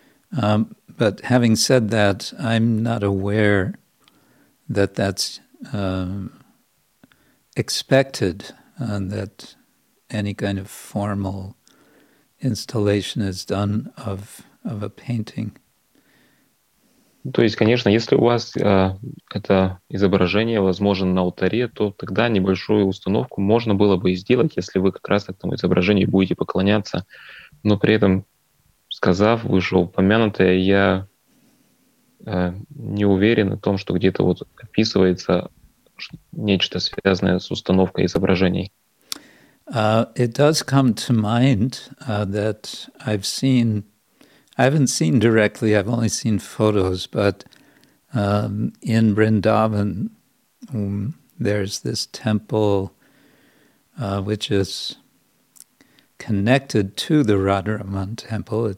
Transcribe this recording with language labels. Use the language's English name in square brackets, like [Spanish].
[English] But having said that, I'm not aware that that's expected, and that any kind of formal installation is done of a painting. [Russian] То есть, конечно, если у вас это изображение возможно на алтаре, то тогда небольшую установку можно было бы и сделать, если вы как раз к этому изображению будете поклоняться. Но при этом, сказав вышеупомянутое, я не уверен о том, что где-то вот описывается нечто связанное с установкой изображений. [English] It does come to mind that I've seen... I haven't seen directly, I've only seen photos, but in Vrindavan, there's this temple which is connected to the Radharaman temple.